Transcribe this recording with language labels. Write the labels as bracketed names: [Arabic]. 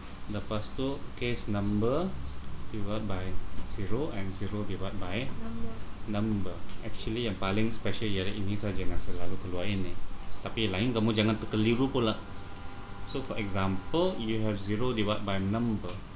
[Malay] Lepas tu [English] case number divided by 0 and 0 divided by number. [Malay] Actually yang paling special ialah ini saja yang selalu keluar ini. Tapi lain kamu jangan terkeliru pula. [English] So for example, you have 0 divided by number.